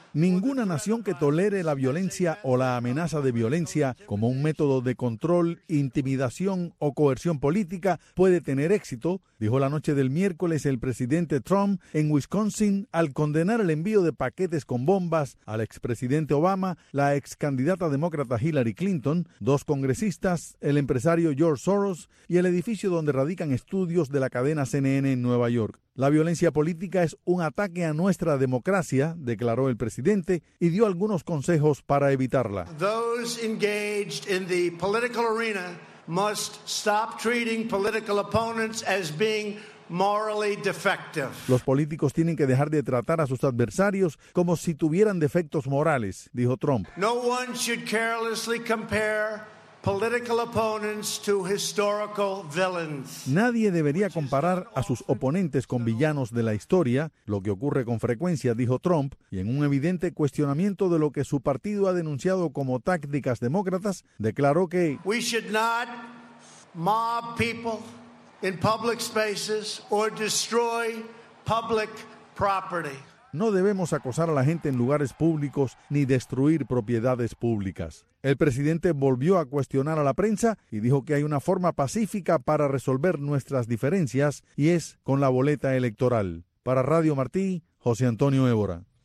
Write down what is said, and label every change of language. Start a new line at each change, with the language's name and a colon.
Spanish: Ninguna nación que tolere la violencia o la amenaza de violencia como un método de control, intimidación o coerción política puede tener éxito, dijo la noche del miércoles el presidente Trump en Wisconsin al condenar el envío de paquetes con bombas al expresidente Obama, la excandidata demócrata Hillary Clinton, dos congresistas, el empresario George Soros y el edificio donde radican estudios de la cadena CNN en Nueva York. La violencia política es un ataque a nuestra democracia, declaró el presidente y dio algunos consejos para evitarla.
English: Those engaged in the political arena must stop treating political opponents as being morally defective.
Spanish: Los políticos tienen que dejar de tratar a sus adversarios como si tuvieran defectos morales, dijo Trump.
English: No one should carelessly compare political opponents to historical villains.
Spanish: Nadie debería comparar a sus oponentes con villanos de la historia, lo que ocurre con frecuencia, dijo Trump, y en un evidente cuestionamiento de lo que su partido ha denunciado como tácticas demócratas, declaró que
English: we should not mob people in public spaces or destroy public property.
Spanish: No debemos acosar a la gente en lugares públicos ni destruir propiedades públicas. El presidente volvió a cuestionar a la prensa y dijo que hay una forma pacífica para resolver nuestras diferencias y es con la boleta electoral. Para Radio Martí, José Antonio Évora.